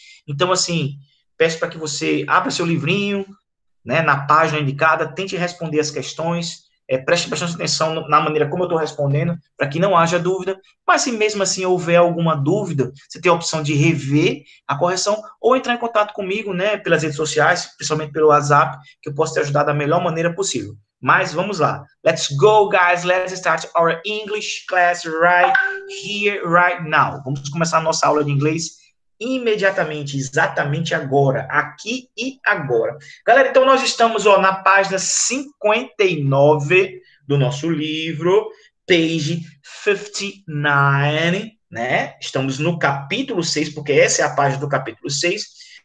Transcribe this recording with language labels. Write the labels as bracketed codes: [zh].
[pt] Então, assim, peço para que você abra seu livrinho, né, na página indicada, tente responder as questões, preste bastante atenção na maneira como eu estou respondendo, para que não haja dúvida. Mas se mesmo assim houver alguma dúvida, você tem a opção de rever a correção ou entrar em contato comigo, né, pelas redes sociais, principalmente pelo WhatsApp, que eu posso te ajudar da melhor maneira possível. Mas vamos lá. [en] Let's go, guys. Let's start our English class right here, right now. [pt] Vamos começar a nossa aula de inglês imediatamente, exatamente agora, aqui e agora. Galera, então nós estamos, ó, na página 59 do nosso livro, page 59, né? Estamos no capítulo 6, porque essa é a página do capítulo 6.